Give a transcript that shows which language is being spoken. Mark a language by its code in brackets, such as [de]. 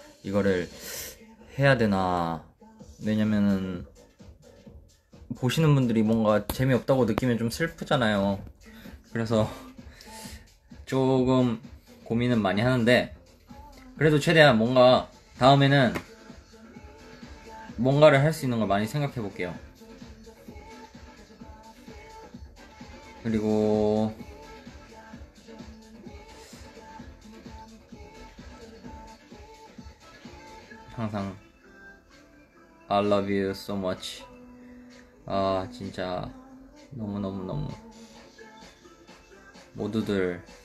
[ko] 이거를 해야 되나. 왜냐면은 보시는 분들이 뭔가 재미없다고 느끼면 좀 슬프잖아요. 그래서 조금 고민은 많이 하는데, 그래도 최대한 뭔가 다음에는 뭔가를 할 수 있는 걸 많이 생각해 볼게요. 그리고 항상 [en] I love you so much. [ko] 아, 진짜 너무너무너무 모두들